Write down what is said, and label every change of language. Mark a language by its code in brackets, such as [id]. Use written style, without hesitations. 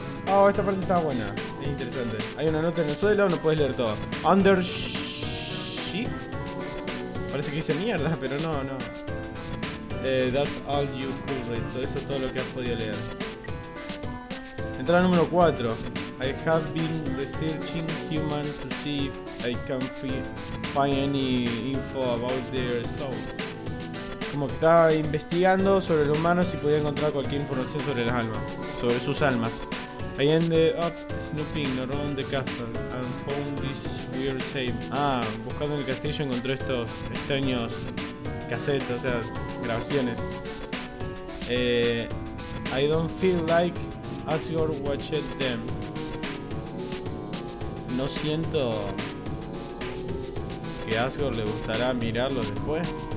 [es] Oh, esta parte está buena, es interesante. Hay una nota en el suelo, no puedes leer todo. [en] Under sheet. [es] Parece que hice mierda, pero no. [en] That's all you could read. [es] Eso es todo lo que has podido leer. Entrada número 4. [en] I have been researching human to see if I can find any info about their soul. [es] Como que estaba investigando sobre los humanos y podía encontrar cualquier información sobre las almas. Sobre sus almas. [en] I ended up snooping around the castle and found this weird tape. [es] Ah, buscando en el castillo encontró estos extraños cassettes, o sea, grabaciones. [en] I don't feel like Asgore watched them. [es] No siento que Asgore le gustará mirarlo después.